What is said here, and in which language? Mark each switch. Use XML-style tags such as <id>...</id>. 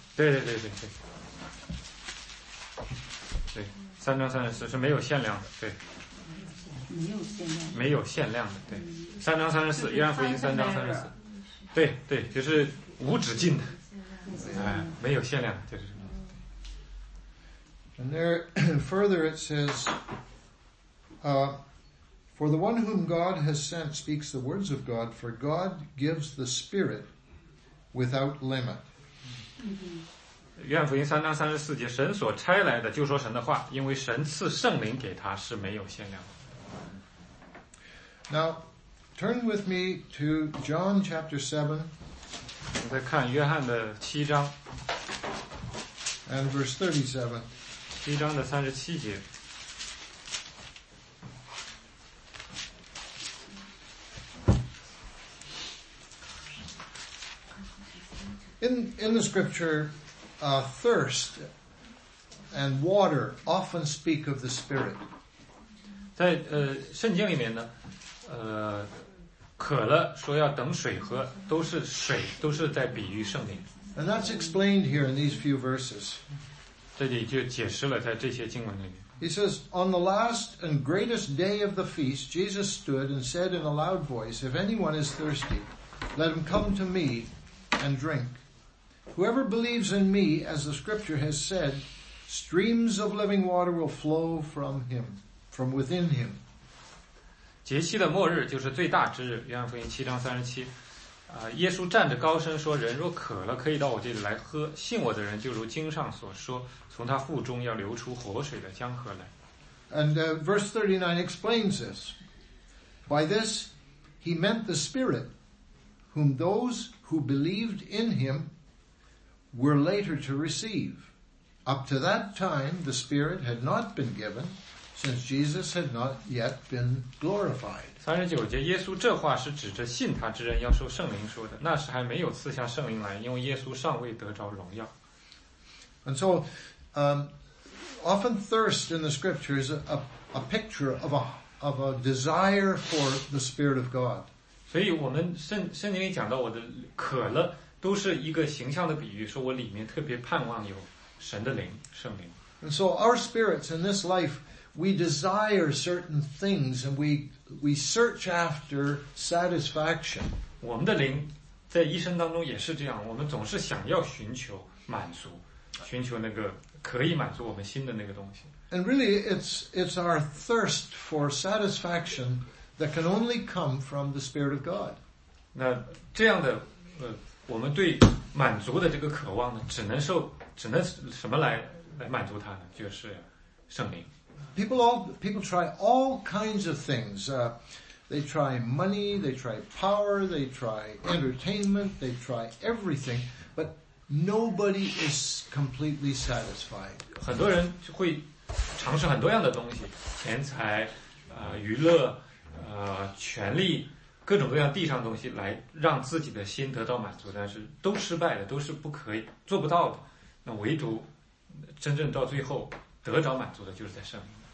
<zh>对对对对对。对，三章三十四是没有限量的，对。没有限量的，对，三章三十四，约翰福音三章三十四，对对，就是无止境的，哎，没有限量的，就是。</zh> <en>And there further it says, "For the one whom God has sent speaks the words of God, for God gives the Spirit without limit."</en> <zh>约翰福音三章三十四节，神所差来的就说神的话，因为神赐圣灵给他是没有限量的。</zh> <en>Now, turn with me to John chapter 7.</en> <zh>我在看约翰的七章。</zh> <en>And verse 37.</en> <zh>七章的三十七节。</zh> <en>In the scripture, thirst and water often speak of the Spirit.</en> <zh>在圣经里面呢，渴了说要等水喝，都是水，都是在比喻圣灵。</zh> <en>And that's explained here in these few verses.</en> <zh>这里就解释了在这些经文里面。</zh> <en>He says, On the last and greatest day of the feast, Jesus stood and said in a loud voice, If anyone is thirsty, let him come to me and drink. Whoever believes in me, as the scripture has said, streams of living water will flow from him, from within him.</en> <zh>节期的末日就是最大之日，约翰福音七章三十七。耶稣站着高声说：“人若渴了，可以到我这里来喝。信我的人，就如经上所说，从他腹中要流出活水的江河来。”</zh> <en>And verse 39 explains this. By this, he meant the Spirit, whom those who believed in him were later to receive. Up to that time, the Spirit had not been given, since Jesus had not yet been glorified.</en> <zh>39节，耶稣这话是指着信他之人要受圣灵说的，那时还没有赐下圣灵来，因为耶稣尚未得着荣耀。</zh> <en>And so, often thirst in the scriptures is a picture of a desire for the Spirit of God.</en> <zh>所以我们圣经里讲到我的渴了都是一个形象的比喻，说我里面特别盼望有神的灵，圣灵。</zh> <en>And so our spirits in this life, we desire certain things and we search after satisfaction.</en> <zh>我们的灵在一生当中也是这样，我们总是想要寻求满足，寻求那个可以满足我们心的那个东西。</zh> <en>And really, it's our thirst for satisfaction that can only come from the Spirit of God.</en> <zh>那这样的我们对满足的这个渴望呢，只能什么来满足它呢？就是圣灵。</zh> <en>People try all kinds of things. They try money, they try power, they try entertainment, they try everything, but nobody is completely satisfied.</en> <zh>很多人会尝试很多样的东西，钱财、娱乐、权力。各种各样地上的东西来让自己的心得到满足，但是都失败的，都是不可以做不到的。那唯独真正到最后得着满足的，就是在圣灵。</zh>